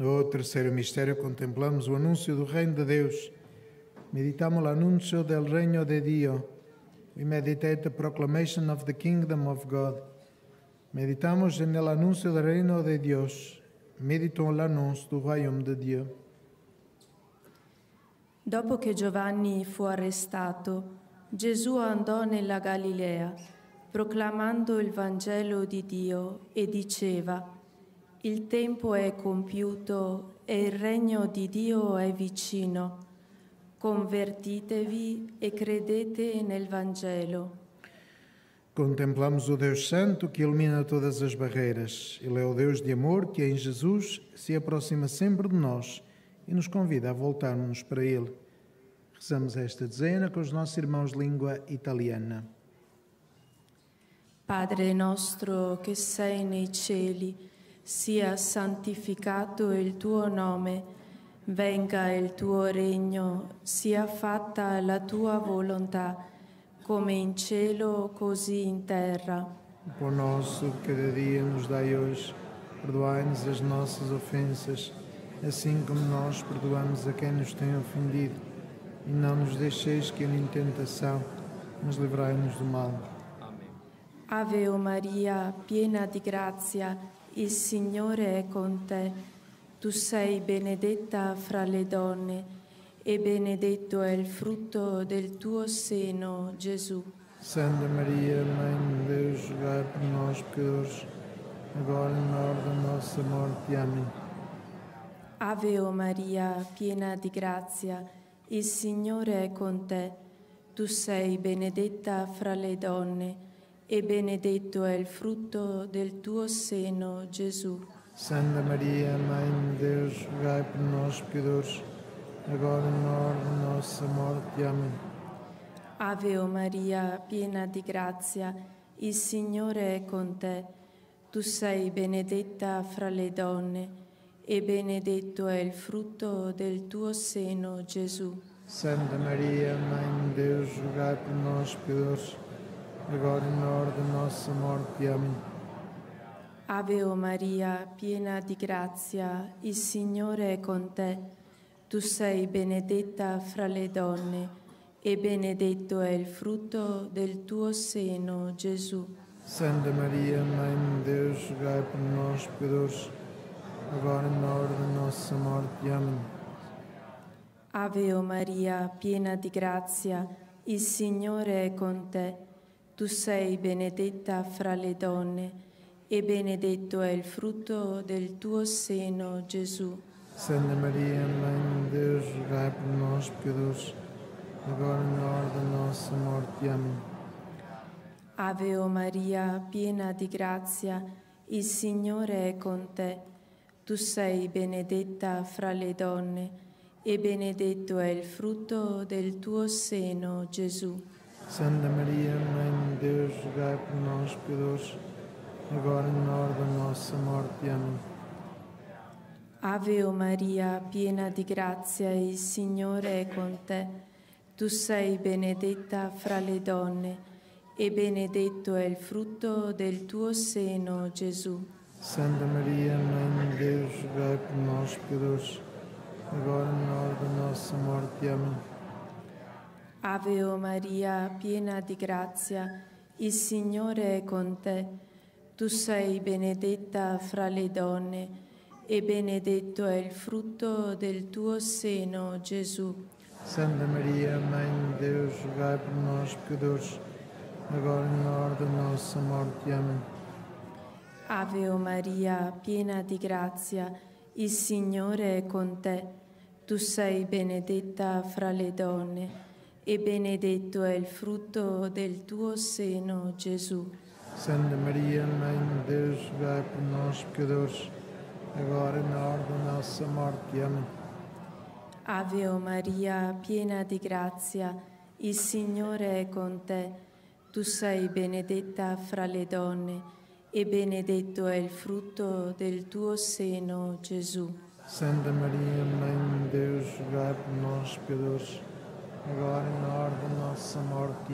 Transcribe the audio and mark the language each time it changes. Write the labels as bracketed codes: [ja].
[pt] Terceiro mistério, contemplamos o anúncio do reino de Deus. Meditamos o anúncio do reino de Deus. [en] We meditate the proclamation of the kingdom of God. [pt] Meditamos no anúncio do reino de Deus. Meditamos o anúncio do reino de Deus. [it] Dopo che Giovanni fu arrestato, Gesù andò nella Galilea, proclamando il Vangelo di Dio e diceva: Il tempo è compiuto e il regno di Dio è vicino. Convertitevi e credete nel Vangelo. [pt] Contemplamos o Deus Santo que ilumina todas as barreiras. Ele é o Deus de amor que em Jesus se aproxima sempre de nós e nos convida a voltarmos para Ele. Rezamos esta dezena com os nossos irmãos de língua italiana. [it] Padre nostro che sei nei cieli, sia santificato il tuo nome, venga il tuo regno, sia fatta la tua volontà, come in cielo, così in terra. [pt] O pão nosso, cada dia nos dai hoje, perdoai-nos as nossas ofensas, assim como nós perdoamos a quem nos tem ofendido. E não nos deixeis cair em tentação, mas livrai-nos do mal. [it] Ave Maria, piena di grazia, il Signore è con te. Tu sei benedetta fra le donne e benedetto è il frutto del tuo seno, Gesù. [pt] Santa Maria, Mãe de Deus, rogai por nós, pecadores, agora e na hora da nossa morte. Amém. [it] Ave Maria, piena di grazia, il Signore è con te. Tu sei benedetta fra le donne e benedetto è il frutto del tuo seno, Gesù. Santa Maria, [pt] Mãe de Deus, rogai [it] per noi peccatori, [pt] agora [it] e nell'ora della nostra morte. Amen. Ave Maria, piena di grazia, il Signore è con te. Tu sei benedetta fra le donne, e benedetto è il frutto del tuo seno, Gesù. [pt] Santa Maria, Mãe de Deus, rogai [it] per noi peccatori, [pt] agora e na hora da nossa morte. Amém. [it] Ave Maria, piena di grazia, il Signore è con te. Tu sei benedetta fra le donne, e benedetto è il frutto del tuo seno, Gesù. [pt] Santa Maria, Mãe de Deus, rogai por nós, pecadores, agora e na hora da nossa morte. Amém. [it] Ave Maria, piena di grazia, il Signore è con te. Tu sei benedetta fra le donne, e benedetto è il frutto del tuo seno, Gesù. [pt] Santa Maria, Mãe de Deus, rogai por nós, pecadores, agora e na hora da nossa morte. Amém. [it] Ave Maria, piena di grazia, il Signore è con te. Tu sei benedetta fra le donne, e benedetto è il frutto del tuo seno, Gesù. [pt] Santa Maria, Mãe de Deus, rogai por nós, pecadores, agora e na hora da nossa morte. Amém. [it] Ave Maria, piena di grazia, il Signore è con te. Tu sei benedetta fra le donne, e benedetto è il frutto del tuo seno, Gesù. [pt] Santa Maria, Mãe de Deus, rogai por nós, pecadores, agora e na hora da nossa morte. Amém. [it] Ave Maria, piena di grazia, il Signore è con te. Tu sei benedetta fra le donne, e benedetto è il frutto del tuo seno, Gesù. Santa Maria, Mãe di Dio, [pt] rogai [it] per noi peccatori, [pt] agora [it] e nell'ora della nostra morte. Amen. Ave Maria, piena di grazia, il Signore è con te. Tu sei benedetta fra le donne, e benedetto è il frutto del tuo seno, Gesù. [pt] Santa Maria, Mãe de Deus, rogai por nós, pecadores, agora e na hora da nossa morte. Amém. [it] Ave Maria, piena di grazia, il Signore è con te. Tu sei benedetta fra le donne, e benedetto è il frutto del tuo seno, Gesù. [pt] Santa Maria, Mãe de Deus, rogai por nós, pecadores, agora e na hora da nossa morte.